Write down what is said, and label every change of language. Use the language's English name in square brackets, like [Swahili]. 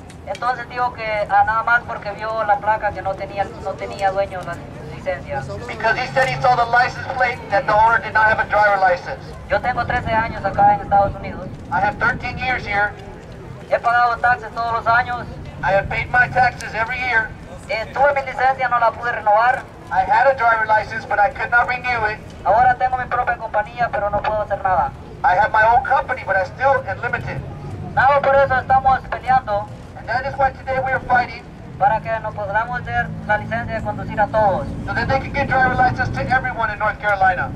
[Spanish] Entonces dijo que nada más porque vio la placa que no tenía dueño la licencia. [English] Because he said he saw the license plate that the owner did not have a driver license. [Spanish] Yo tengo 13 años acá en Estados Unidos. [English] I have 13 years here. [Spanish] He pagado taxes todos los años. [English] I have paid my taxes every year. [Spanish] Tuve mi licencia, no la pude renovar. [English] I had a driver license, but I could not renew it. [Spanish] Ahora tengo mi propia compañía, pero no puedo hacer nada. [English] I have my own company, but I still am limited. [Spanish] Nada por eso estamos peleando. [English] And that is why today we are fighting. [Spanish] Para que nos podamos dar la licencia de conducir a todos. [English] So that they can get driver license to everyone in North Carolina.